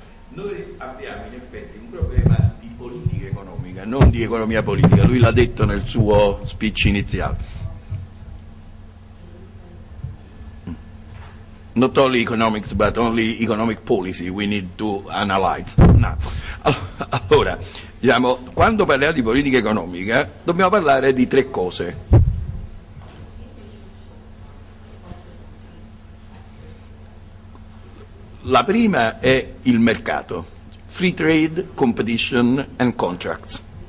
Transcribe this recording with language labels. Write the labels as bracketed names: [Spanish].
[Italian] noi abbiamo in effetti un problema di politica economica, non di economia politica, lui l'ha detto nel suo speech iniziale. [English] Not only economics, but only economic policy we need to analyze. No. [Italian] Allora, diciamo, quando parliamo di politica economica, dobbiamo parlare di tre cose. La prima è il mercato, [English] free trade, competition and contracts.